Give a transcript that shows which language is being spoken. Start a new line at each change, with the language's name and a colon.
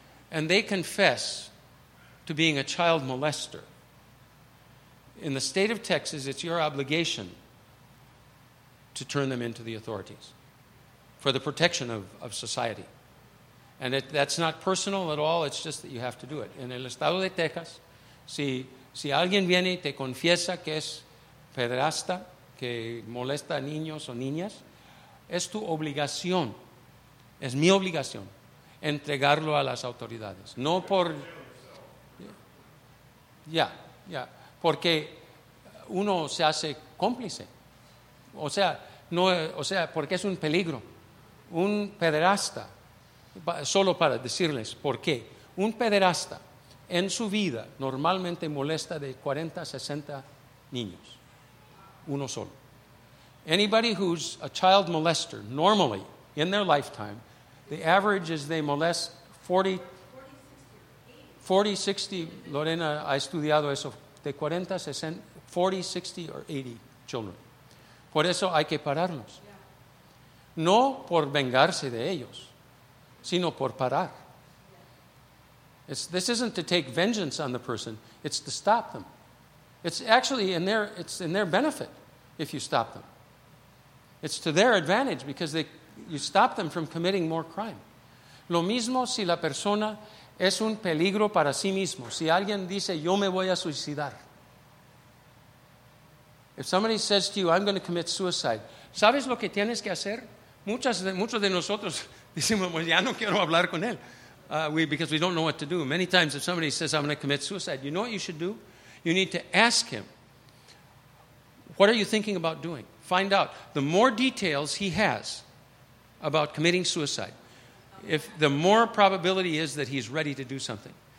English: And they confess to being a child molester. In the state of Texas, it's your obligation to turn them into the authorities for the protection of society. And that's not personal at all. It's just that you have to do it.
Spanish: En el estado de Texas, si alguien viene y te confiesa que es pederasta, que molesta a niños o niñas, es tu obligación, es mi obligación, entregarlo a las autoridades. No por... Yeah. Porque uno se hace cómplice. O sea, porque es un peligro. Un pederasta, solo para decirles por qué, un pederasta en su vida normalmente molesta de 40 a 60 niños. Uno solo.
English: Anybody who's a child molester, normally, in their lifetime, the average is they molest 40, 60,
Spanish: Lorena ha estudiado eso, de
English: 40, 60, 40, 60 or 80 children.
Spanish: Por eso hay que pararlos. No por vengarse de ellos, sino por parar.
English: This isn't to take vengeance on the person, it's to stop them. It's actually in their benefit if you stop them. It's to their advantage because you stop them from committing more crime.
Spanish: Lo mismo si la persona es un peligro para sí mismo. Si alguien dice, yo me voy a suicidar.
English: If somebody says to you, I'm going to commit suicide.
Spanish: ¿Sabes lo que tienes que hacer? Muchos de nosotros decimos, well, ya no quiero hablar con él.
English: Because we don't know what to do. Many times if somebody says, I'm going to commit suicide, you know what you should do? You need to ask him, what are you thinking about doing? Find out. The more details he has about committing suicide, if the more probability is that he's ready to do something.